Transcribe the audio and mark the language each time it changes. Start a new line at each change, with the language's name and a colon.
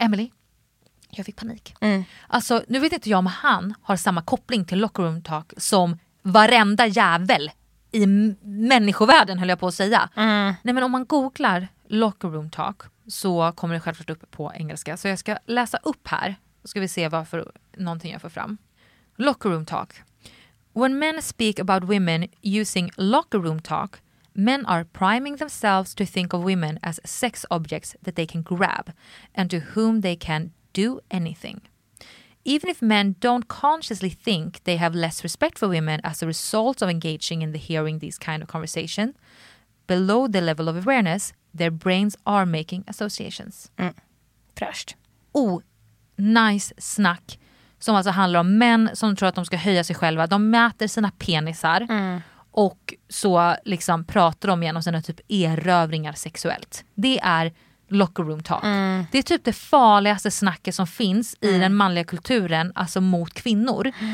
Swedish: Emily, jag fick panik. Alltså, nu vet inte jag om han har samma koppling till locker room talk som varenda jävel i människovärlden, höll jag på att säga. Nej, men om man googlar locker room talk så kommer det självklart upp på engelska. Så jag ska läsa upp här. Då ska vi se varför någonting jag får fram.
English: Locker room talk. When men speak about women using locker room talk, men are priming themselves to think of women as sex objects that they can grab and to whom they can do anything. Even if men don't consciously think they have less respect for women as a result of engaging in the hearing these kind of conversation, below the level of awareness, their brains are making associations.
Swedish: Fräscht.
English: Oh, nice snack.
Swedish: Som alltså handlar om män som tror att de ska höja sig själva. De mäter sina penisar. Och så liksom pratar de igenom sina typ erövringar sexuellt. Det är locker room talk. Det är typ det farligaste snacket som finns i den manliga kulturen, alltså mot kvinnor.